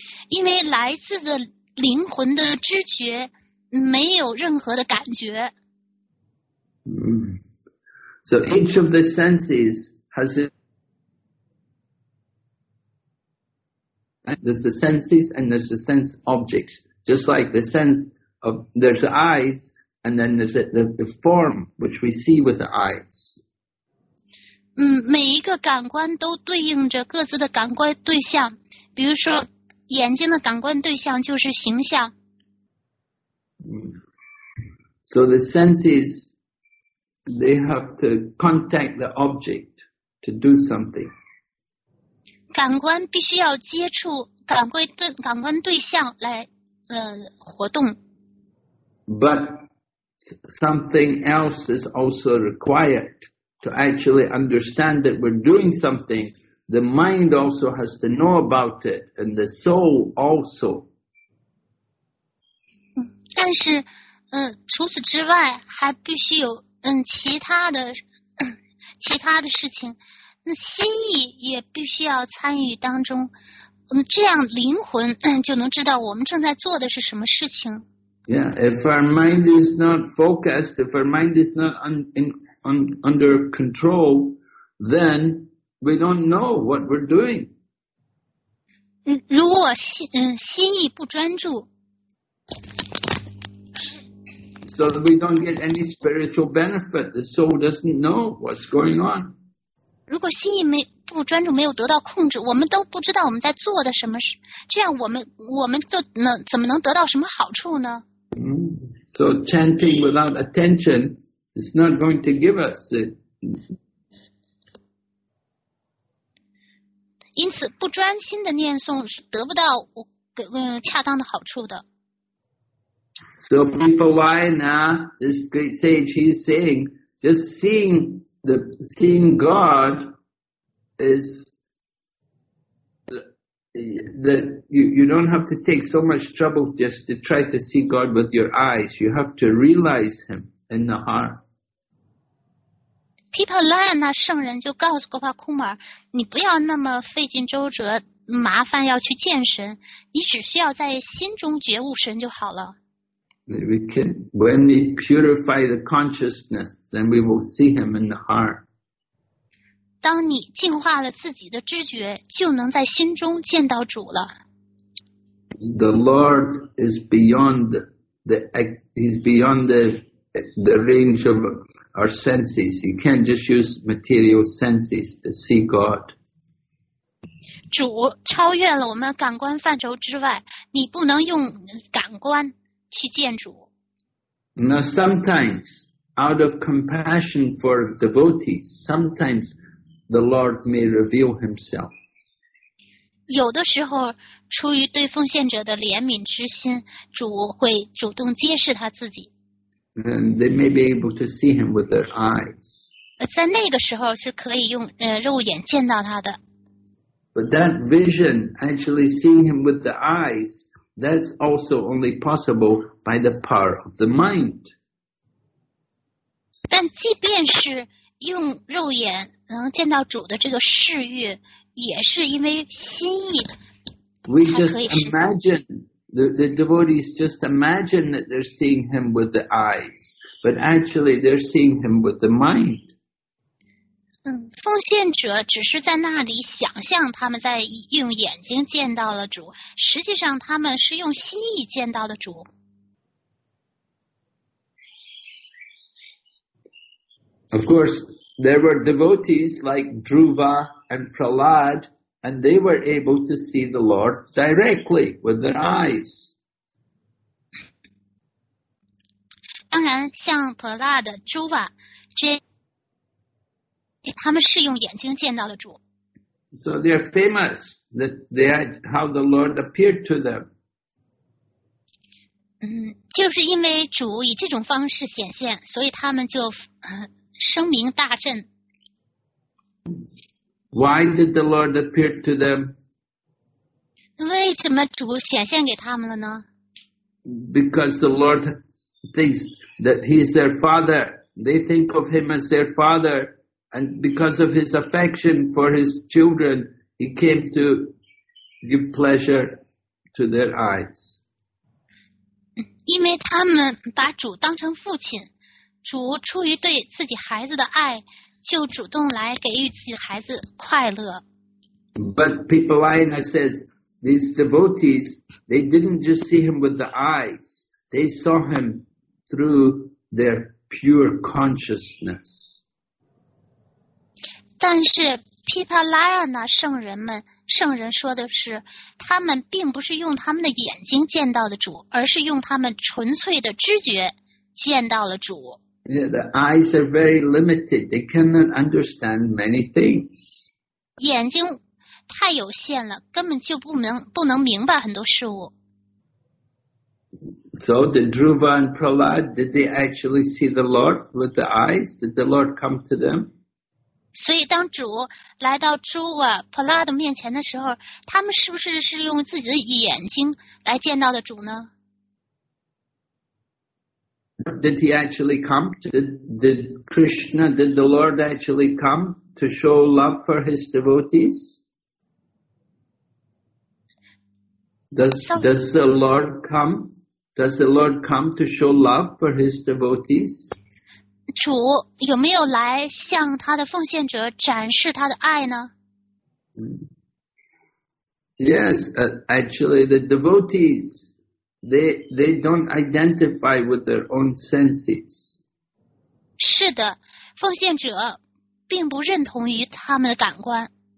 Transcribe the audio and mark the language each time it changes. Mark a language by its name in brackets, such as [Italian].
[Chinese] 因为来自的灵魂的知觉没有任何的感觉。 [English] So each of the senses has it. There's the senses and there's the sense objects. Just like the sense of, there's the eyes and then there's the form which we see with the eyes. [Chinese] 每一个感官都对应着各自的感官对象，比如说眼睛的感官对象就是形象。 [English] So the senses, they have to contact the object to do something. [Chinese] 感官必须要接触感官对象来活动。 [English] But something else is also required to actually understand that we're doing something. The mind also has to know about it, and the soul also. [Chinese] 但是，除此之外，还必须有其他的事情。那心意也必须要参与当中。这样灵魂就能知道我们正在做的是什么事情。 [English] Yeah, if our mind is not focused, if our mind is not under control, then. We don't know what we're doing. [Chinese] 如果心意不专注 [English] ，so we don't get any spiritual benefit. The soul doesn't know what's going on. [Chinese] 如果心意不专注，没有得到控制，我们都不知道我们在做的什么事。这样，我们就怎么能得到什么好处呢 [English] ？So chanting without attention is not going to give us it. [Chinese] 因此不专心的念诵是得不到恰当的好处的。 [English] So Vipavayana, this great sage, he's saying, just seeing God is that you don't have to take so much trouble just to try to see God with your eyes. You have to realize him in the heart. [Chinese] Pipalayana 圣人就告诉 Gopakumar, 你不要那么费尽周折麻烦要去见神，你只需要在心中觉悟神就好了。 [English] We can, when we purify the consciousness, then we will see him in the heart. [Chinese] 当你净化了自己的知觉，就能在心中见到主了。 [English] the Lord is beyond the, he's beyond the range of our senses. You can't just use material senses to see God. [Chinese] 主超越了我们感官范畴之外，你不能用感官去见主。 [English] Now sometimes, out of compassion for devotees, sometimes the Lord may reveal himself. [Chinese] 有的时候，出于对奉献者的怜悯之心，主会主动揭示他自己。 [English] And they may be able to see him with their eyes. [Chinese] 在那个时候是可以用肉眼见到他的。 [English] But that vision, actually seeing him with the eyes, that's also only possible by the power of the mind. [Chinese] 但即便是用肉眼能见到主的这个视域，也是因为心意才可以实现。 [English] We just imagine, the devotees just imagine that they're seeing him with the eyes, but actually they're seeing him with the mind. [Chinese] 奉献者只是在那里想象他们在用眼睛见到了主，实际上他们是用心意见到的主。 [English] Of course, there were devotees like Dhruva and Prahlad, and they were able to see the Lord directly with their eyes. [Chinese] 当然，像普拉的、朱瓦这。他们是用眼睛见到了主。 [English] So they are famous that they had how the Lord appeared to them. [Chinese] 就是因为主以这种方式显现，所以他们就声名大振。 [English] Why did the Lord appear to them? [Chinese] 为什么主显现给他们了呢？ [English] Because the Lord thinks that he is their father. They think of him as their father. And because of his affection for his children, he came to give pleasure to their eyes. [Chinese] 因为他们把主当成父亲，主出于对自己孩子的爱，就主动来给予自己孩子快乐。 [English] But Pipalaina says, these devotees, they didn't just see him with the eyes, they saw him through their pure consciousness. [Chinese] 但是 Pipalayana 圣人们圣人说的是他们并不是用他们的眼睛见到了主而是用他们纯粹的知觉见到了主 [English] yeah, The eyes are very limited They cannot understand many things [Chinese] 眼睛太有限了根本就不能明白很多事物 [English] So did Dhruva and Prahlad Did they actually see the Lord with the eyes? Did the Lord come to them? [Chinese] 所以当主来到朱瓦普拉的面前的时候他们是不是是用自己的眼睛来见到的主呢 [English] Did he actually come? Did Krishna, did the Lord actually come to show love for his devotees? Does the Lord come to show love for his devotees? [Chinese] 主有没有来向他的奉献者展示他的爱呢 [English] ？Yes, actually, the devotees they don't identify with their own senses. [Chinese] 是的，奉献者并不认同于他们的感官。